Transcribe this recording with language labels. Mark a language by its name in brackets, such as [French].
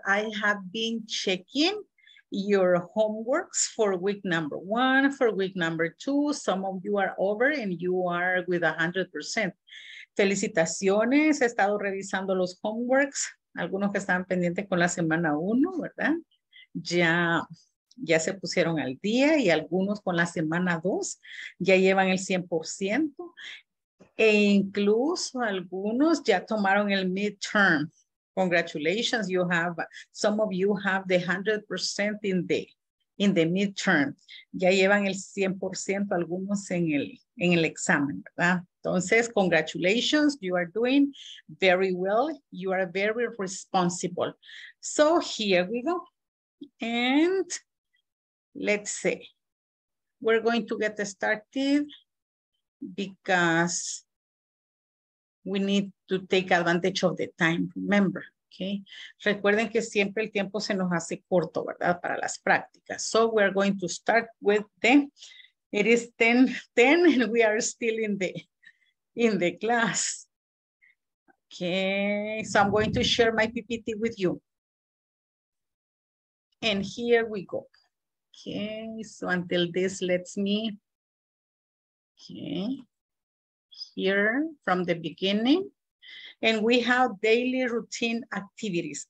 [English] I have been checking your homeworks for week number one, for week number two. Some of you are over and you are with 100%. [Spanish] Felicitaciones. He estado revisando los homeworks. Algunos que estaban pendientes con la semana uno, ¿verdad? Ya se pusieron al día y algunos con la semana dos ya llevan el 100%. E incluso algunos ya tomaron el midterm. [English] Congratulations, you have, some of you have the 100% in the midterm. [Spanish] Ya llevan el 100% algunos en el examen, ¿verdad? [English] Entonces, congratulations, you are doing very well. You are very responsible. So here we go. And let's see. We're going to get started because we need to take advantage of the time, remember, okay? [Spanish] Recuerden que siempre el tiempo se nos hace corto, ¿verdad? Para las prácticas. [English] So we're going to start with the, it is 10:10 and we are still in the class. Okay, so I'm going to share my PPT with you. And here we go. Okay, so until this lets me, okay, here from the beginning, and we have daily routine activities.